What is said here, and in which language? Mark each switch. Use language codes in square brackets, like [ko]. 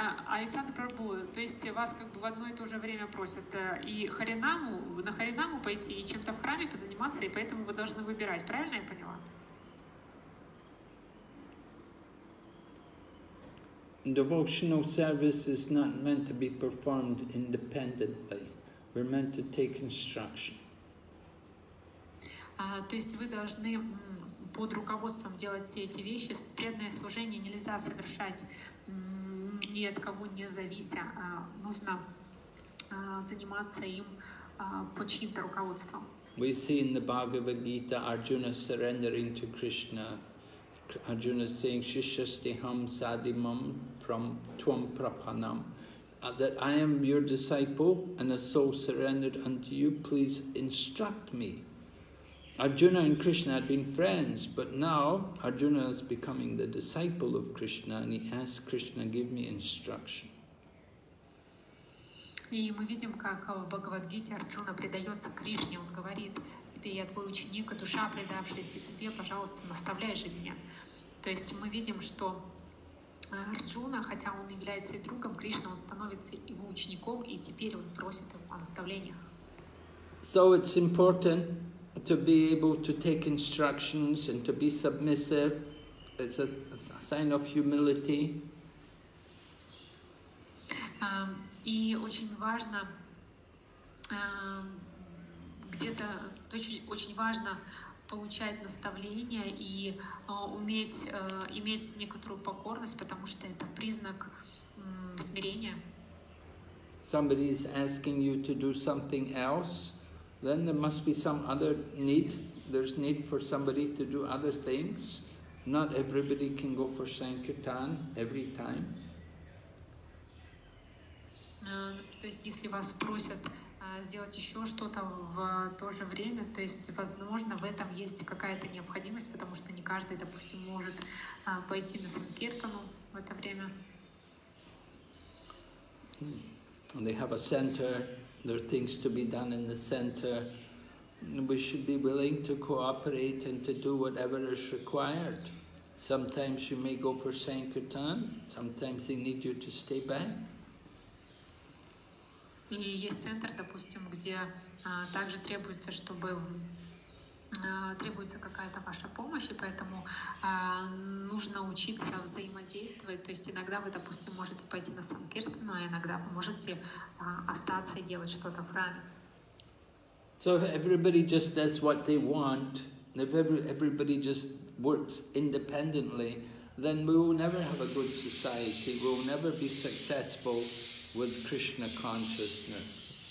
[ru] Александр Прабу, то есть вас как бы в одно и то же время просят и харинаму, на харинаму пойти, и чем-то в храме позаниматься, и поэтому вы должны выбирать, правильно я поняла? [en] Devotional service is not meant to be performed independently. We're meant to take instruction. [ru] То есть вы должны под руководством делать все эти вещи. Преданное служение нельзя совершать ни от кого не завися, нужно заниматься им под чьим-то руководством. [en] We see in the Bhagavad Gita Arjuna surrendering to Krishna. Arjuna saying, Shishastiham sadimam from tvam prapanam. That I am your disciple and a soul surrendered unto you, please instruct me. Arjuna and Krishna had been friends, but now Arjuna is becoming the disciple of Krishna and he asks Krishna, give me instruction. [ru] И мы видим, как в Бхагавад-гите Арджуна предается Кришне. Он говорит: «Тебе, я твой ученик, и душа предавшаяся тебе, пожалуйста, наставляй же меня». То есть мы видим, что Арджуна, хотя он является и другом Кришны, он становится его учеником, и теперь он просит его о наставлениях. [en] So it's important to be able to take instructions and to be submissive. It's a sign of humility. [ru] И очень важно где-то очень важно получать наставления и иметь некоторую покорность, потому что это признак смирения. [en] Somebody is asking you to do something else, then there must be some other need. There's need for somebody to do other things. Not everybody can go for Sankirtan every time. [ru] То есть, если вас просят сделать еще что-то в то же время, то есть, возможно, в этом есть какая-то необходимость, потому что не каждый, допустим, может пойти на Санкиртану в это время. [en] And they have a center, there are things to be done in the center. We should be willing to cooperate and to do whatever is required. Sometimes you may go for Sankirtan, sometimes they need you to stay back. [ru] И есть центр, допустим, где также требуется, чтобы требуется какая-то ваша помощь, и поэтому нужно учиться взаимодействовать. То есть иногда вы, допустим, можете пойти на Санкиртану, а иногда вы можете остаться и делать что-то в храме. [en] So if everybody just does what they want, if everybody just works independently, then we will never have a good society, we will never be successful with Krishna consciousness.